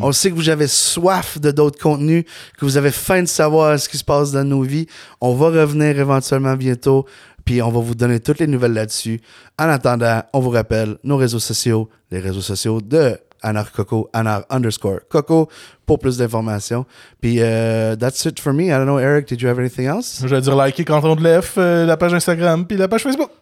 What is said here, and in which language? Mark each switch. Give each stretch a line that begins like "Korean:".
French: On sait que vous avez soif de d'autres contenus, que vous avez faim de savoir ce qui se passe dans nos vies. On va revenir éventuellement bientôt, puis on va vous donner toutes les nouvelles là-dessus. En attendant, on vous rappelle nos réseaux sociaux, les réseaux sociaux de Anar Coco, Anar _ Coco, pour plus d'informations.
English: Puis, that's it for me. I don't know, Eric, did you have anything else?
French: Je vais dire liker Canton de l'EF, la page Instagram, puis la page Facebook.